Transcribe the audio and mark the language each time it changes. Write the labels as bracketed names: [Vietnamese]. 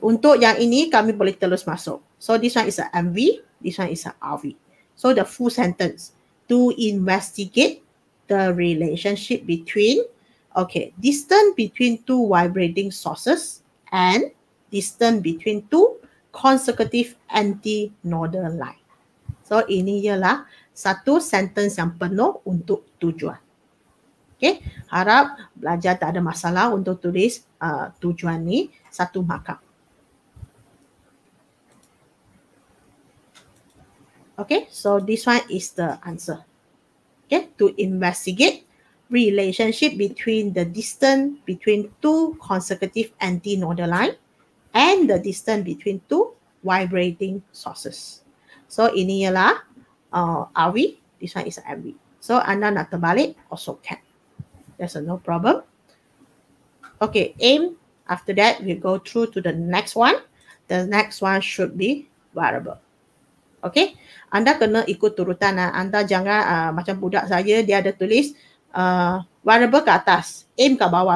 [English] Untuk yang ini kami boleh terus masuk. So this one is a MV. This one is a AWI. So the full sentence. To investigate the relationship between. Okay. Distance between two vibrating sources. And distance between two consecutive anti-nodal line. [Malay] So ini ialah satu sentence yang penuh untuk tujuan. Okay, harap belajar tak ada masalah untuk tulis tujuan ni satu markup. [English] Okay, so this one is the answer. Okay, to investigate relationship between the distance between two consecutive anti-nodal line and the distance between two vibrating sources. [Malay] So ini ialah AWI, this one is AWI. [English] So anda nak terbalik, also can. There's no problem. Okay, aim. After that, we go through to the next one. The next one should be variable. [Malay] Okay, anda kena ikut turutan. Anda jangan macam budak saya, dia ada tulis variable ke atas, aim ke bawah.